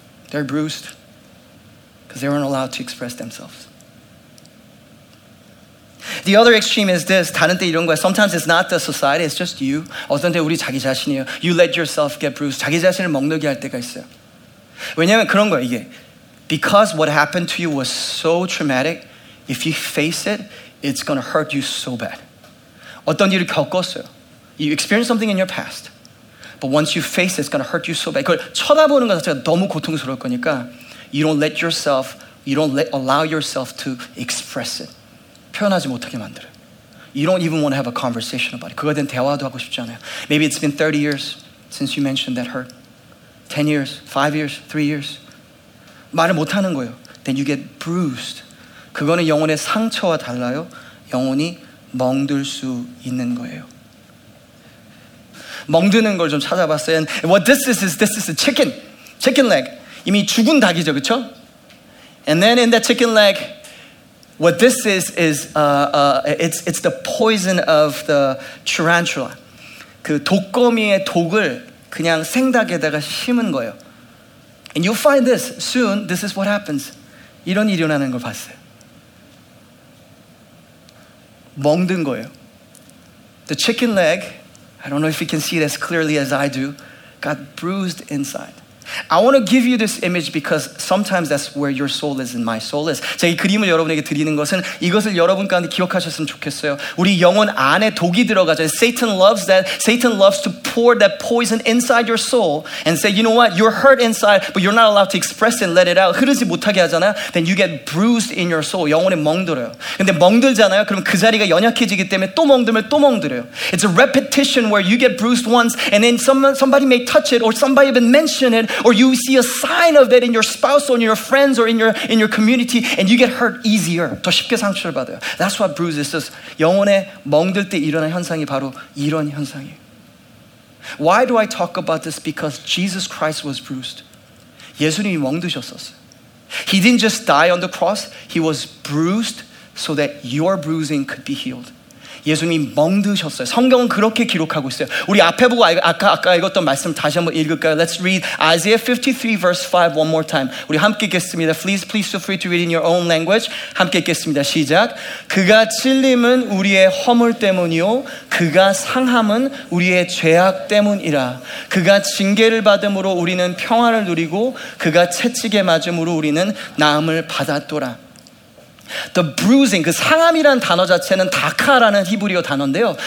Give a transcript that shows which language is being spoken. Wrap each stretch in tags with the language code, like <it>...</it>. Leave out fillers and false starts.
<en>They're bruised because they weren't allowed to express themselves. The other extreme is this.</en> <ko>다른 때 이런 거야.</ko> <en>Sometimes it's not the society, it's just you.</en> <ko>어떤 때 우리 자기 자신이에요.</ko> <en>You let yourself get bruised.</en> <ko>자기 자신을 먹누게 할 때가 있어요. 왜냐하면 그런 거야, 이게.</ko> <en>Because what happened to you was so traumatic, if you face it, it's going to hurt you so bad.</en> <ko>어떤 일을 겪었어요.</ko> <en>You experienced something in your past. But once you face it, it's going to hurt you so bad.</en> <ko>그걸 쳐다보는 것 자체가 너무 고통스러울 거니까</ko> <en>you don't let yourself, you don't let, allow yourself to express it.</en> <ko>표현하지 못하게 만들어요.</ko> <en>You don't even want to have a conversation about it.</en> <ko>그거에 대한 대화도 하고 싶지 않아요.</ko> <en>Maybe it's been 30 years since you mentioned that hurt. 10 years, 5 years, 3 years.</en> <ko>말을 못하는 거예요.</ko> <en>Then you get bruised.</en> <ko>그거는 영혼의 상처와 달라요. 영혼이 멍들 수 있는 거예요. 멍드는 걸 좀 찾아봤어요.</ko> <en>And what this is a chicken. Chicken leg.</en> <ko>이미 죽은 닭이죠, 그쵸?</ko> <en>And then in that chicken leg, what this is it's the poison of the tarantula.</en> <ko>그 독거미의 독을 그냥 생닭에다가 심은 거예요.</ko> <en>And you'll find this soon. This is what happens.</en> <ko>이런 일이 일어나는 걸 봤어요. 멍든 거예요.</ko> <en>The chicken leg, I don't know if you can see it as clearly as I do, got bruised inside. I want to give you this image because sometimes that's where your soul is and my soul is.</en> <ko>제가 이 그림을 여러분에게 드리는 것은 이것을 여러분 가운데 기억하셨으면 좋겠어요. 우리 영혼 안에 독이 들어가죠.</ko> <en>Satan loves that. Satan loves to pour that poison inside your soul and say, you know what? You're hurt inside, but you're not allowed to express it and let it out.</en> <ko>흐르지 못하게 하잖아요.</ko> <en>Then you get bruised in your soul.</en> <ko>영혼에 멍들어요. 근데 멍들잖아요. 그럼 그 자리가 연약해지기 때문에 또 멍들면 또 멍들어요.</ko> <en>It's a repetition where you get bruised once and then somebody may touch it or somebody even mention it or you see a sign of it in your spouse or in your friends or in your community and you get hurt easier.</en> <ko>더 쉽게 상처를 받아요.</ko> <en>That's what bruises is.</en> <ko>영혼에 멍들 때 일어나는 현상이 바로 이런 현상이에요.</ko> <en>Why do I talk about this? Because Jesus Christ was bruised.</en> <ko>예수님이 멍드셨었어요.</ko> <en>He didn't just die on the cross. He was bruised so that your bruising could be healed.</en> <ko>예수님이 멍드셨어요. 성경은 그렇게 기록하고 있어요. 우리 앞에 보고 아까 읽었던 말씀 다시 한번 읽을까요?</ko> <en>Let's read Isaiah 53 verse 5 one more time.</en> <ko>우리 함께 읽겠습니다.</ko> <en>Please feel free to read in your own language.</en> <ko>함께 읽겠습니다. 시작. 그가 찔림은 우리의 허물 때문이요. 그가 상함은 우리의 죄악 때문이라. 그가 징계를 받음으로 우리는 평안을 누리고 그가 채찍에 맞음으로 우리는 나음을 받았더라.</ko> <en>The bruising,</en> <ko>그 상함이라는 단어 자체는 다카라는 히브리어 단어인데요.</ko>